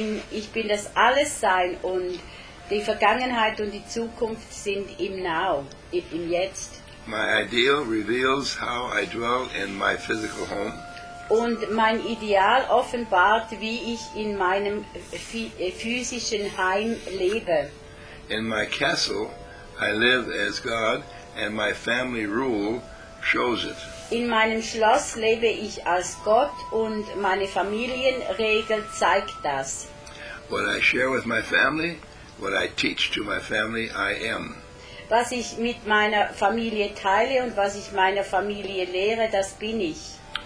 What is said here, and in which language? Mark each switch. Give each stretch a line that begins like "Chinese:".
German: Ich bin das Allessein und die Vergangenheit und die Zukunft sind im Now, im Jetzt.
English: My ideal reveals how I dwell in my physical home.
German: Und mein Ideal offenbart, wie ich in meinem physischen Heim lebe.
English: In my castle, I live as God and my family rule shows it.
German: In meinem Schloss lebe ich als Gott und meine Familienregel zeigt das.
English: What I share with my family, what I teach to my family, I am.
German: Was ich mit meiner Familie teile und was ich meiner Familie lehre, das bin ich.